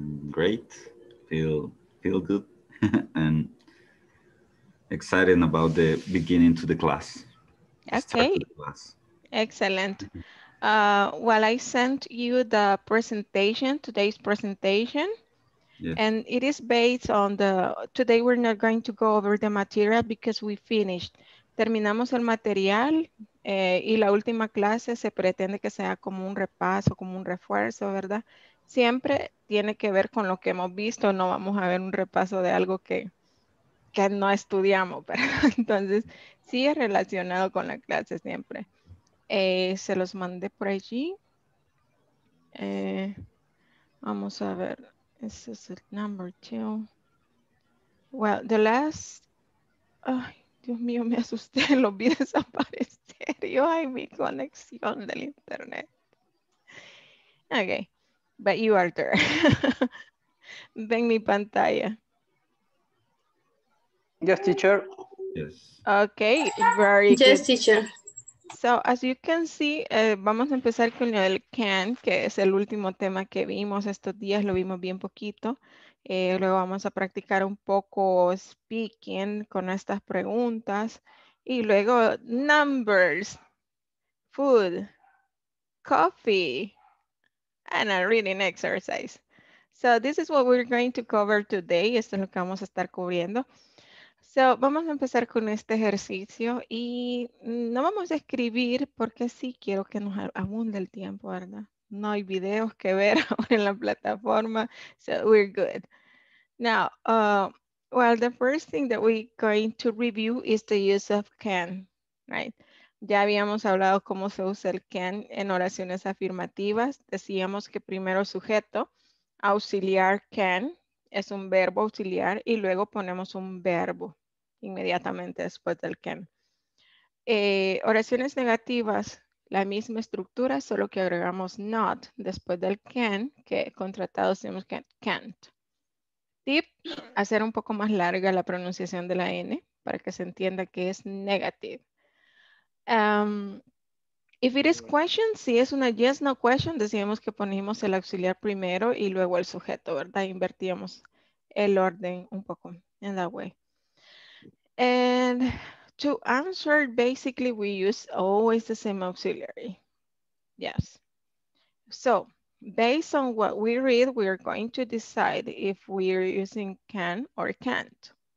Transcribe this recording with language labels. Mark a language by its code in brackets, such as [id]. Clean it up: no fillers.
[en] Great, feel good and excited about the beginning to the class. Okay. Start to the class. Excellent. Well, I sent you the presentation, today's presentation. Yes. And it is based on the, today we're not going to go over the material because we finished. [es] Terminamos el material y la última clase se pretende que sea como un repaso, como un refuerzo, ¿verdad? Siempre tiene que ver con lo que hemos visto, no vamos a ver un repaso de algo que no estudiamos, ¿verdad? Entonces, sí es relacionado con la clase siempre. Se los mandé por allí. Vamos a ver. [en] This is it, number two. Well, the last, [es] ay, Dios mío, me asusté, lo vi desaparecer. Yo, ay, mi conexión del internet. [en] Okay, but you are there. [es] Ven mi pantalla. [en] Yes, teacher. Yes. Okay, very good. Yes, teacher. So, as you can see, [es] vamos a empezar con el can, que es el último tema que vimos estos días, lo vimos bien poquito. Luego vamos a practicar un poco speaking con estas preguntas. Y luego, [en] numbers, food, coffee, and a reading exercise. So, this is what we're going to cover today. [es] Esto es lo que vamos a estar cubriendo. So, vamos a empezar con este ejercicio y no vamos a escribir porque sí quiero que nos abunde el tiempo, ¿verdad? No hay videos que ver ahora en la plataforma, [en] so we're good. Now, well, the first thing that we're going to review is the use of can, right? [es] Ya habíamos hablado cómo se usa el can en oraciones afirmativas. Decíamos que primero sujeto, auxiliar can, es un verbo auxiliar y luego ponemos un verbo inmediatamente después del can. Oraciones negativas, la misma estructura, solo que agregamos not después del can, que contratado decimos can't. Tip, hacer un poco más larga la pronunciación de la N para que se entienda que es negative. [en] If it is question, [es] si es una yes, no question, decíamos que ponemos el auxiliar primero y luego el sujeto, ¿verdad? Invertíamos el orden un poco [en] in that way. And to answer, basically, we use always the same auxiliary. Yes. So, based on what we read, we are going to decide if we are using can or can't.